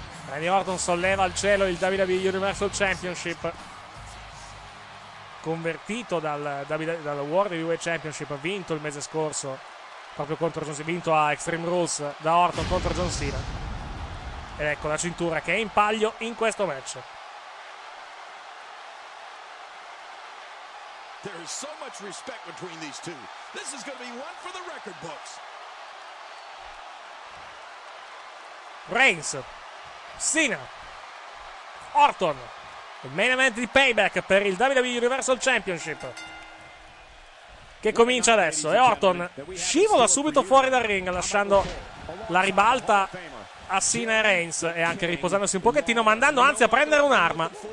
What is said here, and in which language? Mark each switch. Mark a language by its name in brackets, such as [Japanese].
[Italian] Randy Orton solleva al cielo il WWE Universal Championship, convertito dal World Heavyweight Championship vinto il mese scorso proprio contro John Cena, vinto a Extreme Rules da Orton contro John Cena. Ed ecco la cintura che è in palio in questo match. [English] There is so much respect between these two. This is going to be one for the record books. [Italian] Reigns, Cena, Orton, il main event di Payback per il WWE Universal Championship che comincia adesso. E Orton scivola subito fuori dal ring, lasciando la ribalta a Cena e Reigns, e anche riposandosi un pochettino, mandando anzi a prendere un'arma.